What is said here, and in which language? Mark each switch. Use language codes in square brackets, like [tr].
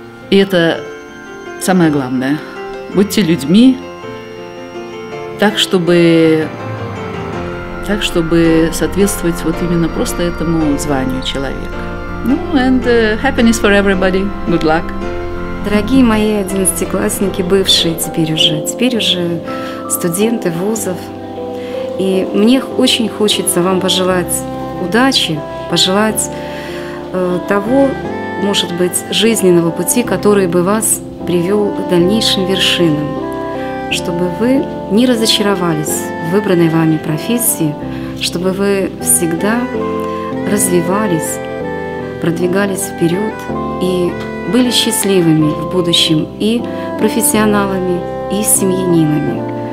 [ru] И это самое главное. Будьте людьми так, чтобы соответствовать вот именно просто этому званию человека. [en] Ну, and happiness for everybody. Good luck. [ru] Дорогие мои одиннадцатиклассники, бывшие теперь уже студенты вузов. И мне очень хочется вам пожелать удачи, пожелать того, может быть, жизненного пути, который бы вас привел к дальнейшим вершинам, чтобы вы не разочаровались в выбранной вами профессии, чтобы вы всегда развивались, продвигались вперед и были счастливыми в будущем и профессионалами, и семьянинами.